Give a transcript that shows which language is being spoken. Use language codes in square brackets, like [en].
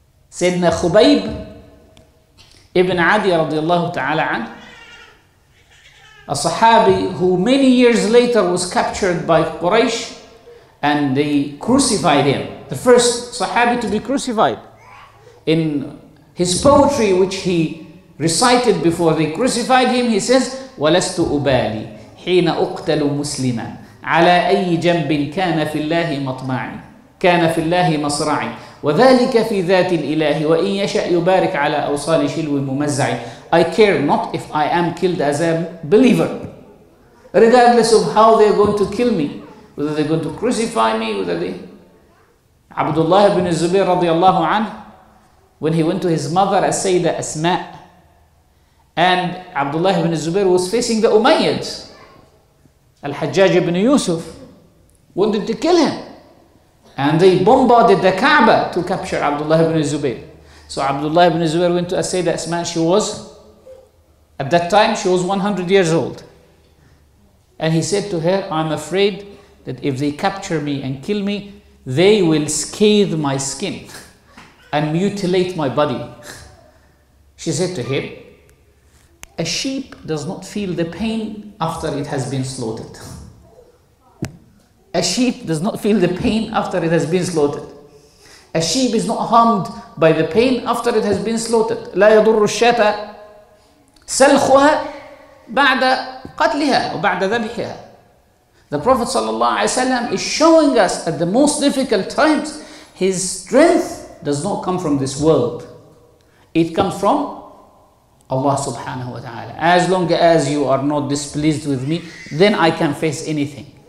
[en] Sayyidina Khubayb ibn Adi radiallahu ta'ala an, a Sahabi who many years later was captured by Quraysh and they crucified him. The first Sahabi to be crucified. In his poetry which he recited before they crucified him, he says, [ar] وَلَسْتُ أُبَالِي حِينَ أُقْتَلُ مُسْلِمًا عَلَى أَيِّ جَنْبٍ كَانَ فِي اللَّهِ مَطْمَعِي كَانَ فِي اللَّهِ مَصْرَعِي وَذَلِكَ فِي ذَاتِ الْإِلَهِ وَإِنْ يَشَأْ يُبَارِكْ عَلَى أَوْصَالِ شِلْوِ مُمَزَّعِي. [en] I care not if I am killed as a believer, regardless of how they are going to kill me, whether they are going to crucify me, whether they... Abdullah ibn Zubayr radiallahu anhu, when he went to his mother as Sayyida Asma, and Abdullah ibn Zubayr was facing the Umayyads, Al-Hajjaj ibn Yusuf wanted to kill him, and they bombarded the Kaaba to capture Abdullah ibn Zubayr. So Abdullah ibn Zubayr went to as Sayyida Asma. At that time, she was 100 years old. And he said to her, I'm afraid that if they capture me and kill me, they will scathe my skin and mutilate my body. She said to him, a sheep does not feel the pain after it has been slaughtered. A sheep does not feel the pain after it has been slaughtered. A sheep is not harmed by the pain after it has been slaughtered. [ar] لا يضر الشاتة سلخها بعد قتلها وبعد ذبحها. [en] The Prophet ﷺ is showing us at the most difficult times, his strength does not come from this world. It comes from Allah subhanahu wa ta'ala. As long as you are not displeased with me, then I can face anything.